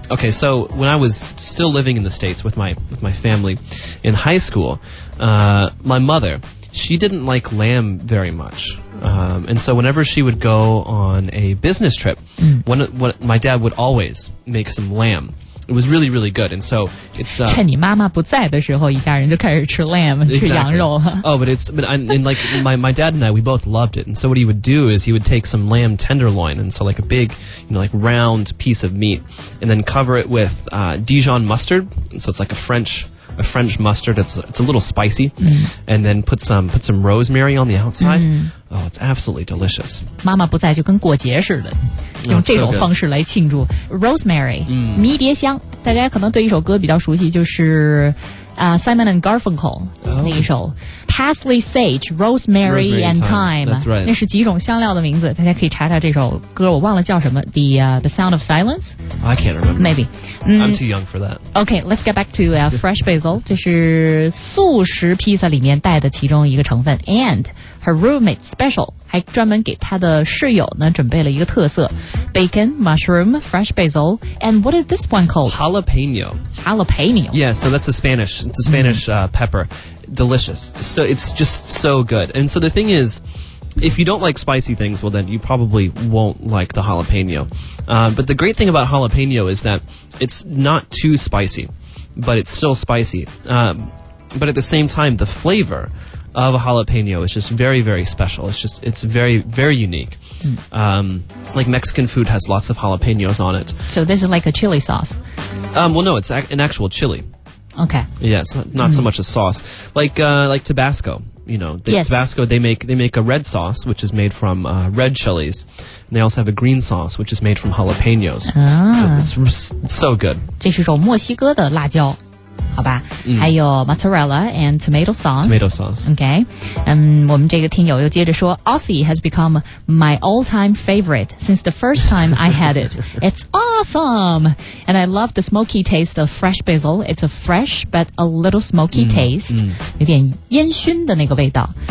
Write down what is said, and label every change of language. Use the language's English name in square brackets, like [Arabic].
[English] So when I was still living in the States with my family in high school, my mother. She didn't like lamb very much. And so whenever she would go on a business trip, my dad would always make some lamb. It was really, really good. And so it's, [Chinese] 趁你妈妈不在的时候一家人就开始吃 lamb,、 [English] exactly. [Chinese] 吃羊肉。 [English] Oh, but it's, but I, and like my dad and I, we both loved it. And so what he would do is he would take some lamb tenderloin. And so like a big, you know, like round piece of meat and then cover it with, Dijon mustard. And so it's like a French mustard, it's a little spicy, and then put some rosemary on the outside. Oh, it's absolutely delicious. [Chinese] 妈妈不在就跟过节似的，用这种方式来庆祝。 Rosemary, 迷迭香，大家可能对一首歌比较熟悉，就是Simon and Garfunkel 那一首 Parsley, Sage, Rosemary and Thyme. [English] That's right. [Chinese] 那是几种香料的名字，大家可以查查这首歌，我忘了叫什么。 [English] The Sound of Silence. I can't remember. Maybe. I'm too young for that. Okay, let's get back to fresh basil. [Chinese] 这是素食披萨里面带的其中一个成分 [English] and her roommate special [Chinese] 还专门给他的室友呢准备了一个特色 [English] Bacon, mushroom, fresh basil And what is this one called? Jalapeno Jalapeno Yeah, so that's a Spanish It's a Spanish、mm. Pepper Delicious So it's just so good And so the thing isIf you don't like spicy things, well then you probably won't like the jalapeno. But the great thing about jalapeno is that it's not too spicy, but it's still spicy. But at the same time, the flavor of a jalapeno is just very, very special. It's very, very unique. Like Mexican food has lots of jalapenos on it. So this is like a chili sauce? Well, no, it's an actual chili. Okay. Yeah, it's not so much a sauce. Like Tabasco. You know, the、 yes. Tabasco, they make a red sauce, which is made from、red chilies. And they also have a green sauce, which is made from jalapenos.、It's so good. [Chinese] 这是种墨西哥的辣椒，好吧、 mm. 还有 [English] mozzarella and tomato sauce. Tomato sauce. Okay. [Chinese] 我们这个听友又接着说 [English] Aussie has become my all-time favorite since the first time I had it. It's awesome! And I love the smoky taste of fresh basil. It's a fresh but a little smoky taste.、 Mm. [Chinese] 有点烟熏的那个味道。